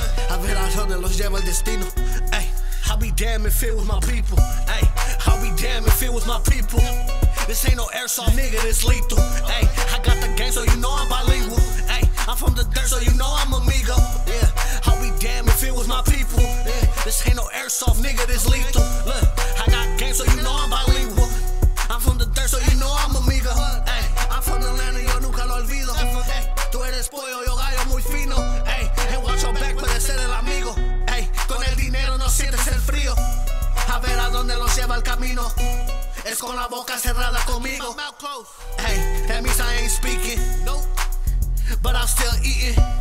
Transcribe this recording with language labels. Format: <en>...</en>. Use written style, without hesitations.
<es>A ver a donde los lleva el destino.</es> <en>Ay, I'll be damned if it was my people. Ay, I'll be damned if it was my people. This ain't no airsoft, nigga, this lethal. Ay, I got the game, so you know I'm bilingual. Ay, I'm from the dirt, so you know I'm amigo. Yeah, I'll be damned if it was my people. Yeah, this ain't no airsoft, nigga, this lethal. Look, I got game, so you know I'm bilingual. I'm from the dirt, so you know I'm amigo. Ay, I'm from the land, and</en> <es>yo nunca lo olvido. Tú eres pollo, yo gallo muy fino. Ey,</es> <en>and watch your back,</en> <es>puede ser el amigo. Ey, con el dinero no sientes el frío. A ver a dónde los lleva el camino. Es con la boca cerrada conmigo.</es> <en>Ey, that means I ain't speaking. Nope, but I'm still eating.</en>